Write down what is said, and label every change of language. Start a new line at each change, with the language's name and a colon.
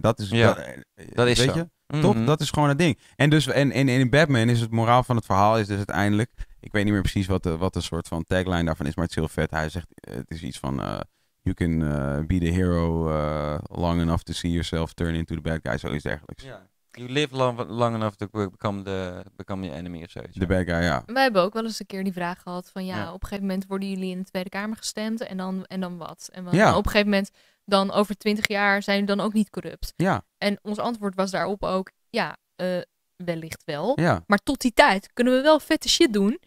Dutch: Dat is zo. Toch? Mm-hmm. Dat is gewoon het ding. En dus in Batman is het moraal van het verhaal is dus uiteindelijk, ik weet niet meer precies wat de soort van tagline daarvan is, maar het is heel vet. Hij zegt, het is iets van,
English: you can be the hero long enough to see yourself turn into the bad guy,
Dutch: zoiets dergelijks. Ja.
English: You live long enough to become your enemy
Dutch: of zoiets. De bad guy, ja. Wij hebben ook wel eens een keer die vraag gehad van op een gegeven moment worden jullie in de Tweede Kamer gestemd en dan wat? En op een gegeven moment, dan over 20 jaar, zijn jullie dan ook niet corrupt? Ja. En ons antwoord was daarop ook, wellicht wel. Ja. Maar tot die tijd kunnen we wel vette shit doen.